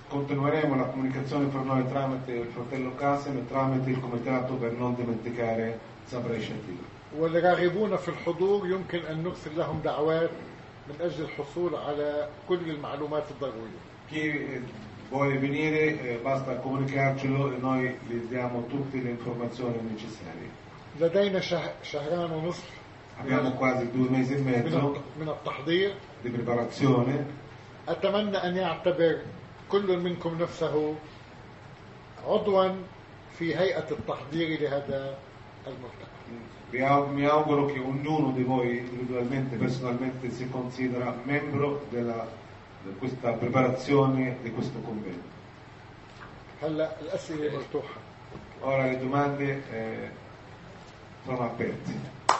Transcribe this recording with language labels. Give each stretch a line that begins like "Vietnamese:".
Italian: Continueremo la comunicazione fra noi tramite il fratello Qasim e tramite il comitato per non dimenticare Sabra e Shatila.
Arabic: والراغبون في الحضور يمكن أن نرسل لهم دعوات من أجل الحصول على كل المعلومات الضرورية.
Italian: Chi vuole venire basta comunicarcelo e noi gli diamo tutte le informazioni necessarie.
Arabic: لدينا شهران ونصف.
Italian: Abbiamo quasi due mesi e mezzo
Arabic: من التحضير.
Italian: Di preparazione.
Arabic: أتمنى أن يعتبر كل منكم نفسه عضوا في هيئة التحضير لهذا الملتقى.
Italian: Mi auguro che ognuno di voi individualmente, personalmente, si considera membro della di questa preparazione di questo convegno.
Arabic: هلا الأسئلة مفتوحة.
Italian: Ora le domande sono aperte.